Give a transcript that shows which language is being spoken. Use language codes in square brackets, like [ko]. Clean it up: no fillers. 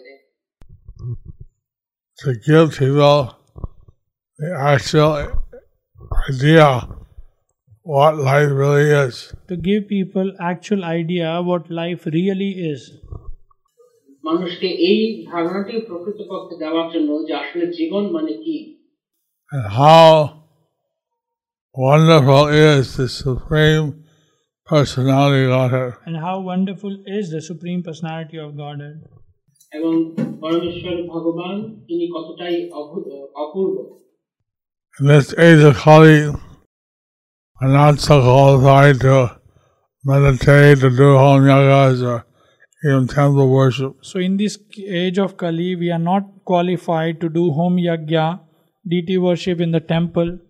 [en] they give to the actual idea what life really is to give people actual idea what life really is [bn] মানুষকে এই ধারণাটি প্রকৃতপক্ষে দেওয়ার জন্য যে আসলে জীবন মানে কি [en] And how wonderful is the Supreme Personality of Godhead. And how wonderful is the Supreme Personality of Godhead. [bn] এবং পরমেশ্বর ভগবান তিনি কতটাই অপূর্ব. [en] In this age of Kali, I'm not so qualified to meditate, to do home yogas, or in temple worship. So in this age of Kali, we are not qualified to do home yagya, deity worship in the temple.